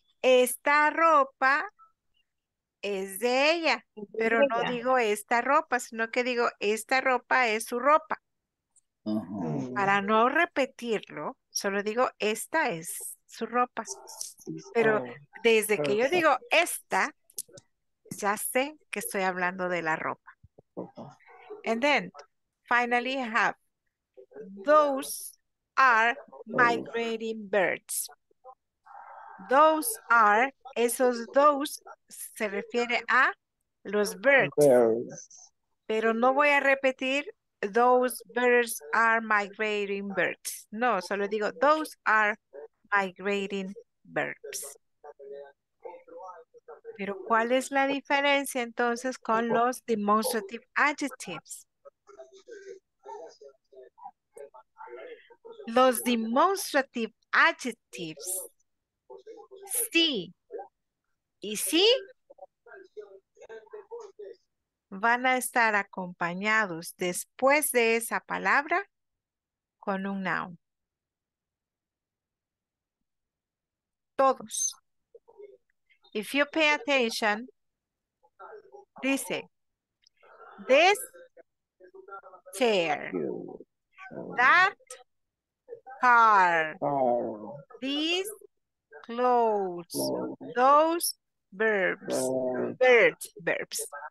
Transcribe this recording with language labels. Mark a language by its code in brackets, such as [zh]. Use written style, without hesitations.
[es] Esta ropa es de ella, pero no digo esta ropa, sino que digo esta ropa es su ropa. Uh-huh. Para no repetirlo, solo digo esta es su ropa. Pero desde que yo digo esta, ya sé que estoy hablando de la ropa. [en] And then, finally have, those are migrating birds. Those are, [es] esos those se refiere a los birds. Pero no voy a repetir, [en] those birds are migrating birds. [es] No, solo digo, [en] those are migrating birds. [es] Pero ¿cuál es la diferencia entonces con los demonstrative adjectives? Los demonstrative adjectives, sí y sí, van a estar acompañados después de esa palabra con un noun. Todos. [en] If you pay attention, dice, this chair, that car, these clothes, those verbs, birds.